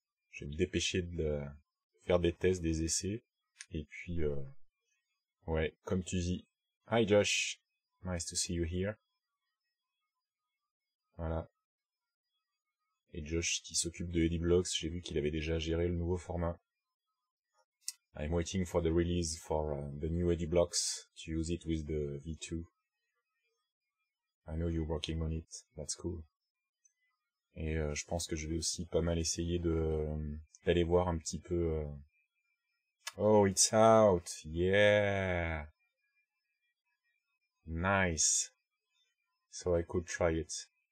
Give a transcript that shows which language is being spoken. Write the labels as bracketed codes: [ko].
[fr] Je vais me dépêcher de faire des tests, des essais. Et puis, ouais, comme tu dis, [en] hi Josh, nice to see you here. [fr] Voilà. Et Josh qui s'occupe de Ediblocks, j'ai vu qu'il avait déjà géré le nouveau format. [en] I'm waiting for the release for the new Ediblocks to use it with the V2. I know you're working on it, that's cool. [fr] Et je pense que je vais aussi pas mal essayer d'aller voir un petit peu... [en] Oh, it's out. Yeah. Nice. So I could try it.